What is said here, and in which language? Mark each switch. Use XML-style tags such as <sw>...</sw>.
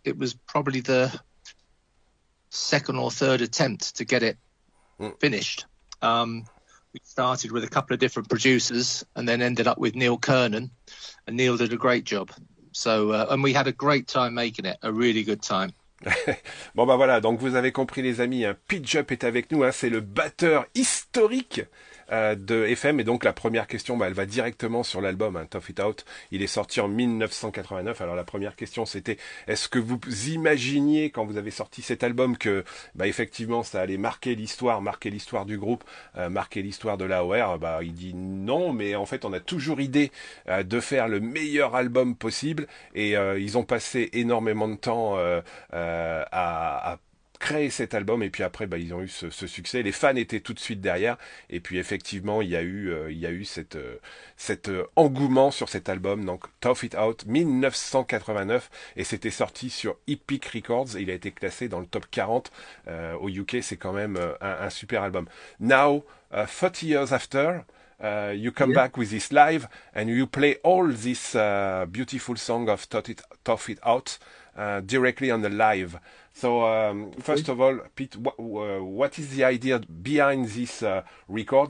<en>It was probably the second or third attempt to get it finished. We started with a couple of different producers and then ended up with Neil Kernan, and Neil did a great job. So, and we had a great time making it, a really good time.</en> <fr>Bon bah voilà, donc vous avez compris les amis, hein, Pete Jupp est avec nous, hein, c'est le batteur historique de FM, et donc la première question, bah, elle va directement sur l'album, hein, Tough It Out. Il est sorti en 1989, alors la première question c'était, est-ce que vous imaginiez quand vous avez sorti cet album que bah, effectivement ça allait marquer l'histoire du groupe, marquer l'histoire de l'AOR? Bah, il dit non, mais en fait on a toujours idée de faire le meilleur album possible, et ils ont passé énormément de temps à créer cet album, et puis après bah, ils ont eu ce succès, les fans étaient tout de suite derrière, et puis effectivement il y a eu cet engouement sur cet album, donc Tough It Out 1989, et c'était sorti sur Epic Records, et il a été classé dans le top 40 au UK. C'est quand même un super album.</fr> <en>Now, 30 years after, you come back with this live and you play all this beautiful song of Tough It Out directly on the live. So, first of all, Pete, what is the idea behind this record?</en>